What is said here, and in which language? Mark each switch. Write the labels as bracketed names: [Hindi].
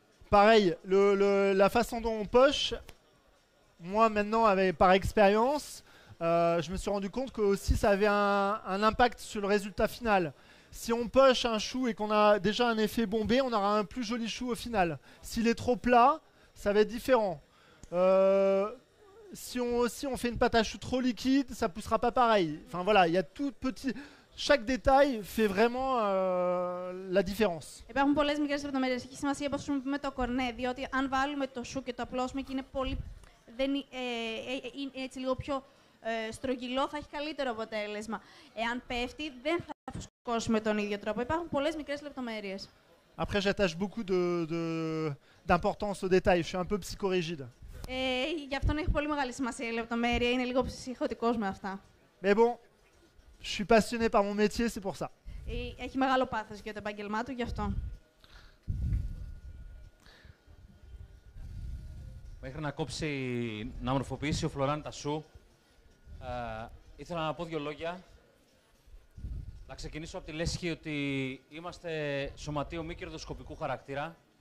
[French] Pareil, la façon dont on poche, moi maintenant, par expérience, je me suis rendu compte que aussi ça avait un impact sur le résultat final. Si on poche un chou et qu'on a déjà un effet bombé, on aura un plus joli chou au final. S'il est trop plat, ça va être différent. Si on fait une pâte à choux trop liquide, ça ne poussera pas pareil. Enfin voilà, il y a tout petit... Chaque détail fait vraiment la différence. [Greek] Υπάρχουν πολλές μικρές λεπτομέρειες. Έχει σημασία πώς χρησιμοποιούμε το κορνέ, διότι αν βάλουμε το σου και το απλώσουμε και είναι πολύ, είναι έτσι λίγο πιο στρογγυλό, θα έχει καλύτερο αποτέλεσμα. Εάν πέφτει, δεν θα φουσκώσουμε τον ίδιο τρόπο. Υπάρχουν πολλές μικρές λεπτομέρειες. [French] Après, j'attache beaucoup d'importance au détail. Je suis un peu psychorigide. [Greek] Γι' αυτό έχει πολύ μεγάλη σημασία η λεπτομέρεια. Είναι λίγο ψυχωτικός με αυτά. [French] Mais bon. Je suis passionné par mon métier, c'est pour ça. [Greek] Έχει μεγάλο πάθος για το επάγγελμά του, γι' αυτό. Μέχρι να κόψει, να μορφοποιήσει ο Φλωράν τα σου, ήθελα να πω δύο λόγια. Να ξεκινήσω από τη λέσχη ότι είμαστε σωματείο μη κερδοσκοπικού χαρακτήρα.